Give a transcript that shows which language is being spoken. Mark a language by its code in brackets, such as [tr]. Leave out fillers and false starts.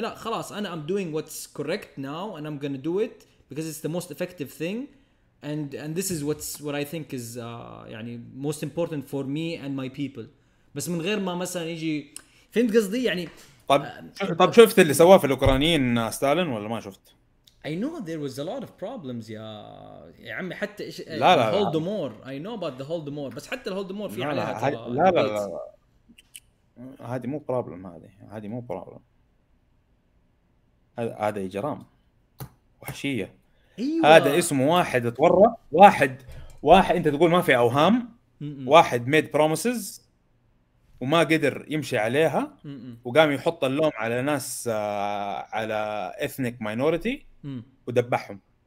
[ar] لا خلاص أنا [en] I'm doing what's correct now and I'm gonna do it because it's the most effective thing and this is what I think is [ar] يعني [en] most important for me and my people. [ar] بس من غير ما مثلا يجي فهمت قصدي يعني. طب شفت اللي سواه في الأوكرانيين ستالين ولا ما شفت؟ [en] I know there was a lot of problems [ar] يا عمي حتى الهولدومور. [en] I know about the holdomor [ar] بس حتى الهولدومور في عليها لا لا لا هذه مو بروبلم هذه مو بروبلم هذا إجرام وحشية. هذا أيوة. اسمه واحد تورى واحد انت تقول ما في اوهام واحد ميد بروميسز وما قدر يمشي عليها وقام يحط اللوم على ناس على [en] ethnic minority [ar] ودبحهم.